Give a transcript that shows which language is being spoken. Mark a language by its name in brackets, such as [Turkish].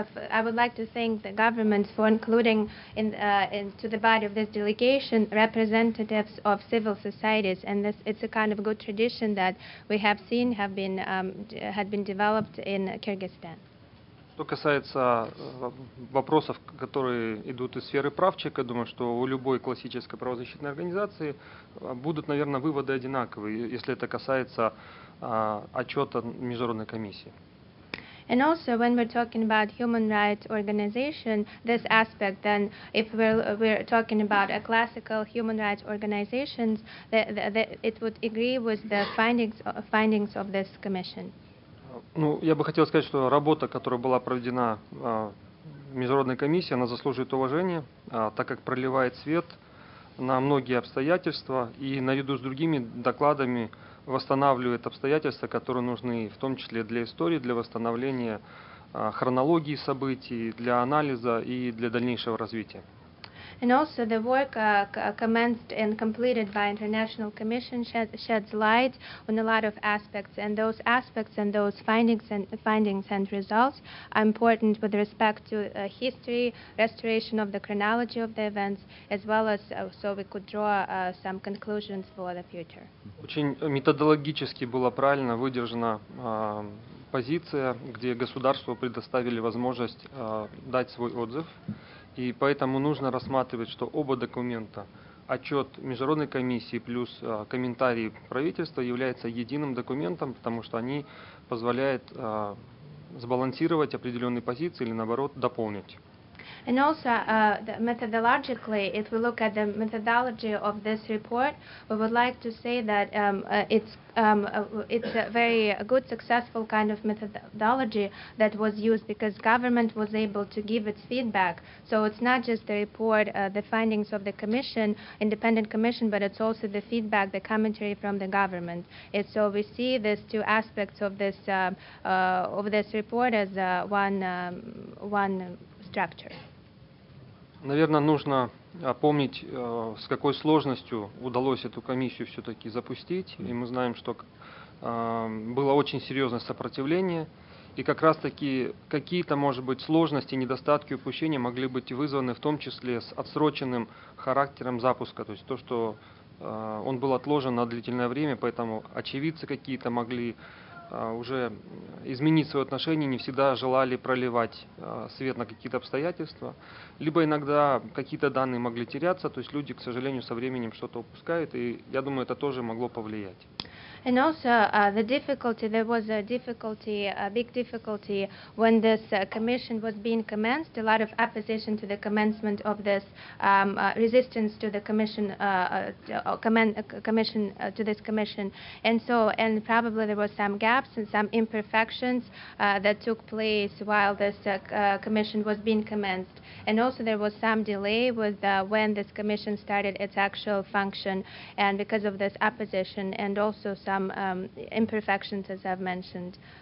[English] I would like to thank the government for including into the body of this delegation representatives of civil societies, and this it's a kind of good tradition that we have seen have been had been developed in Kyrgyzstan. [Russian] Что касается вопросов, которые идут из сферы прав человека, думаю, что у любой классической правозащитной организации будут, наверное, выводы одинаковые, если это касается отчета Международной комиссии. [English] And also, when we're talking about human rights organization, this aspect, then if we're talking about a classical human rights organizations, it would agree with the findings of this commission. [Russian] Ну, я бы хотел сказать, что работа, которая была проведена Международной комиссией, она заслуживает уважения, так как проливает свет на многие обстоятельства и наряду с другими докладами восстанавливает обстоятельства, которые нужны в том числе для истории, для восстановления хронологии событий, для анализа и для дальнейшего развития. [English] And also the work commenced and completed by International Commission sheds light on a lot of aspects, and those aspects and those findings and results are important with respect to history, restoration of the chronology of the events, as well as so we could draw some conclusions for the future. [Russian] Очень методологически было правильно выдержано позиция, где государству предоставили возможность дать свой отзыв. И поэтому нужно рассматривать, что оба документа, отчет Международной комиссии плюс комментарии правительства, являются единым документом, потому что они позволяют сбалансировать определенные позиции или, наоборот, дополнить. [English] And also, methodologically, if we look at the methodology of this report, we would like to say that it's a very good, successful kind of methodology that was used because government was able to give its feedback. So it's not just the report, the findings of the commission, independent commission, but it's also the feedback, the commentary from the government. And so we see these two aspects of this report as one structure. [Russian] Наверное, нужно помнить, с какой сложностью удалось эту комиссию все-таки запустить. И мы знаем, что было очень серьезное сопротивление. И как раз-таки какие-то, может быть, сложности, недостатки, упущения могли быть вызваны в том числе с отсроченным характером запуска. То есть то, что он был отложен на длительное время, поэтому очевидцы какие-то могли уже изменить свое отношение, не всегда желали проливать свет на какие-то обстоятельства, либо иногда какие-то данные могли теряться, то есть люди, к сожалению, со временем что-то упускают, и я думаю, это тоже могло повлиять. [English] And also there was a big difficulty when this commission was being commenced, a lot of opposition to the commencement of this resistance to the commission commission, and probably there were some gaps and some imperfections that took place while this commission was being commenced, and also there was some delay with when this commission started its actual function, and because of this opposition and also some imperfections, as I've mentioned